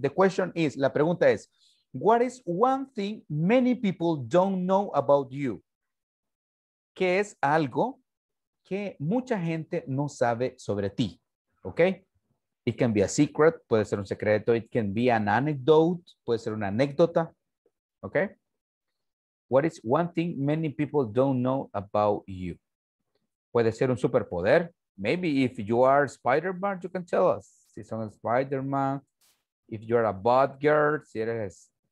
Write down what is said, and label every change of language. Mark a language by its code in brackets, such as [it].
[en] The question is, [es] la pregunta es, [en] what is one thing many people don't know about you? [es] ¿Qué es algo que mucha gente no sabe sobre ti? Okay? [en] It can be a secret, [es] puede ser un secreto. [en] It can be an anecdote, [es] puede ser una anécdota. [en] Okay? What is one thing many people don't know about you? [es] Puede ser un superpoder. [en] Maybe if you are Spider-Man, you can tell us. [es] Si son Spider-Man. [en] If you are a bad girl, [es] si eres.